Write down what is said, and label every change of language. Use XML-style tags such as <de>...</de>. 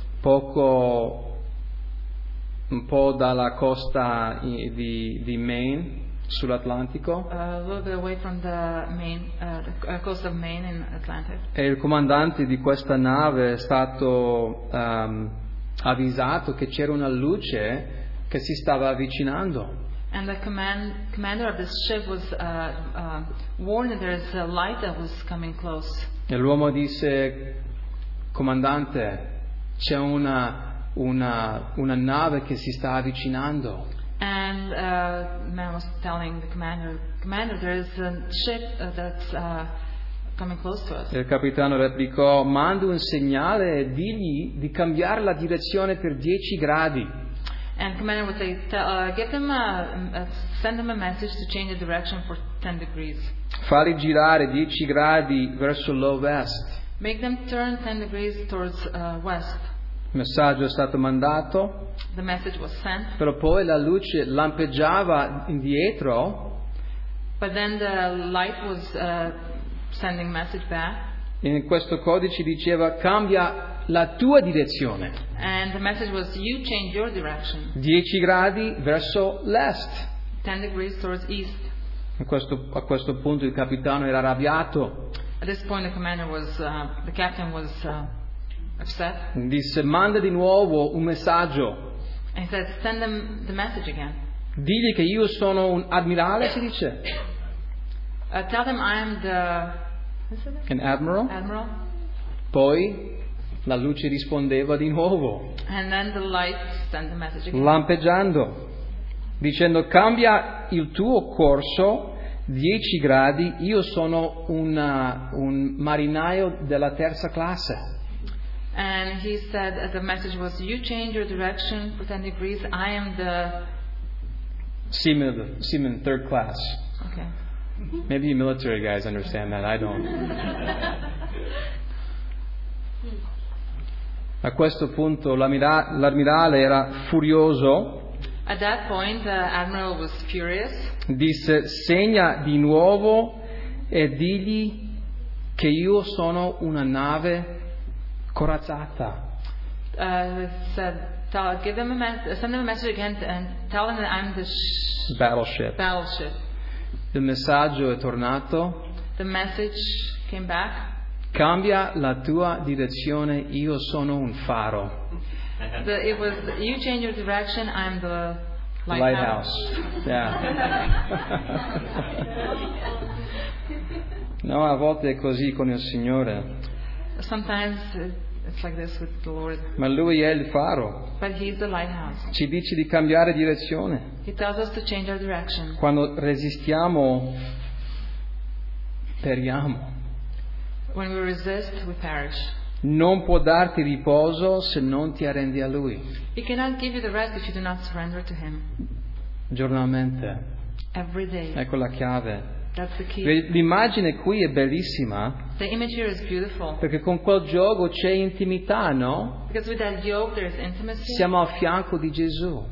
<it>Poco, un po' dalla costa di Maine, sull'Atlantico.</it> <en>A little bit away from the main, coast of Maine in Atlantic.</en> <it>E il comandante di questa nave è stato avvisato che c'era una luce che si stava avvicinando.</it> <en>And the commander of this ship was warned that there is a light that was coming close.</en> <it>E l'uomo disse: comandante, c'è una nave che si sta avvicinando.</it> <en>And man was telling the commander, there is a ship that's coming close to us.</en> <it>Il capitano replicò: manda un segnale e digli di cambiare la direzione per 10 gradi.</it> <en>And commander would say, send them a message to change the direction for 10 degrees.</en> <it>Fali girare 10 gradi verso l'ovest.</it> <en>Make them turn 10 degrees towards west.</en> <it>Il messaggio è stato mandato,</it> <en>the message was sent,</en> <it>però poi la luce lampeggiava indietro,</it> <en>but then the light was sending message back.</en> <it>In questo codice diceva: cambia la tua direzione.</it> <en>And the message was, you change your direction.</en> <it>10 gradi verso l'est.</it> <en>10 degrees towards east.</en> <it>A questo punto il capitano era arrabbiato.</it> <en>At this point the commander was, the captain was upset.</en> <it>Disse: manda di nuovo un messaggio.</it> <en>And he said, send them the message again.</en> <it>Digli che io sono un ammirale, si dice.</it> <en>Tell them I am the an admiral. Admiral.</en> <it>Poi la luce rispondeva di nuovo.</it> <en>And then the light sent the message again.</en> <it>Lampeggiando, dicendo: cambia il tuo corso 10 gradi, io sono un marinaio della terza classe.</it> <en>And he said the message was, you change your direction for 10 degrees, I am the seaman third class. Okay. Maybe you military guys understand that, I don't.</en> <it>A questo punto l'ammirale era furioso.</it> <en>At that point the admiral was furious.</en> <it>Disse: segna di nuovo e digli che io sono una nave corazzata.</it> <en>Send them a message again and tell them that I'm the</en> <it>battleship. Il messaggio è tornato.</it> <en>The message came back.</en> <it>Cambia la tua direzione, io sono un faro.</it> <en>You change your direction, I'm the lighthouse. Lighthouse. Yeah.</en> <it>No, a volte è così con il Signore.</it> <en>Sometimes it's like this with the Lord.</en> <it>Ma Lui è il faro.</it> <en>But He's the lighthouse.</en> <it>Ci dice di cambiare direzione.</it> <en>He tells us to change our direction.</en> <it>Quando resistiamo, periamo.</it> <en>When we resist, we perish.</en> <it>Non può darti riposo se non ti arrendi a Lui.</it> <en>He cannot give you the rest if you do not surrender to Him.</en> <it>Giornalmente.</it> <en>Every day.</en> <it>Ecco la chiave.</it> <en>That's the key.</en> <it>L'immagine qui è bellissima.</it> <en>The image here is beautiful.</en> <it>Perché con quel giogo c'è intimità, no?</it> <en>Because with that yoke there is intimacy.</en> <it>Siamo a fianco di Gesù.</it>